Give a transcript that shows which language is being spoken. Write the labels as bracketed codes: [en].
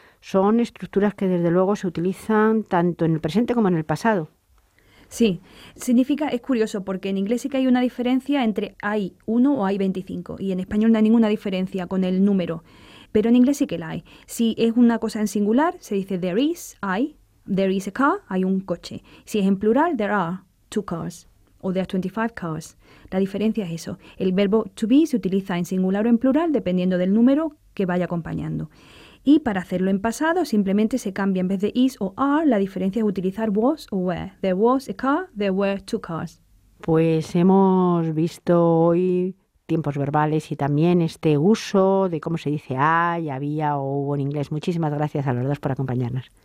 [es] Son estructuras que, desde luego, se utilizan tanto en el presente como en el pasado. Sí, significa, es curioso, porque en inglés sí que hay una diferencia entre hay 1 o hay 25, y en español no hay ninguna diferencia con el número, pero en inglés sí que la hay. Si es una cosa en singular, se dice there is, hay, there is a car, hay un coche. Si es en plural, there are two cars, o there are 25 cars. La diferencia es eso. El verbo to be se utiliza en singular o en plural, dependiendo del número que vaya acompañando. Y para hacerlo en pasado, simplemente se cambia, en vez de is o are, la diferencia es utilizar was o were. [en] There was a car, there were two cars. [es] Pues hemos visto hoy tiempos verbales y también este uso de cómo se dice hay, había o hubo en inglés. Muchísimas gracias a los dos por acompañarnos.